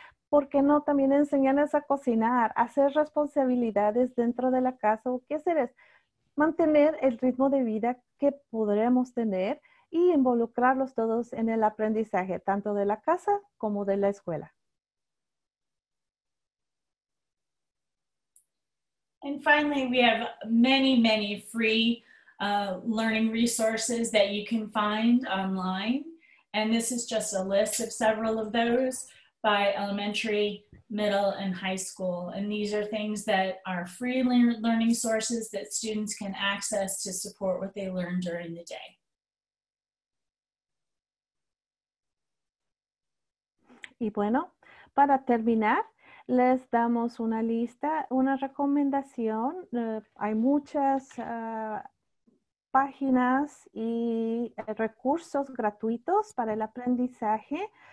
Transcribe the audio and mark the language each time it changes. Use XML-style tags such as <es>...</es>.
<es>¿Por qué no también enseñarles a cocinar, a hacer responsabilidades dentro de la casa o qué hacer? Mantener el ritmo de vida que podremos tener y involucrarlos todos en el aprendizaje, tanto de la casa como de la escuela.</es> <en>And finally, we have many, many free learning resources that you can find online. And this is just a list of several of those by elementary, middle, and high school. And these are things that are free learning sources that students can access to support what they learn during the day.</en> <es>Y bueno, para terminar, les damos una lista, una recomendación. Hay muchas páginas y recursos gratuitos para el aprendizaje.</es>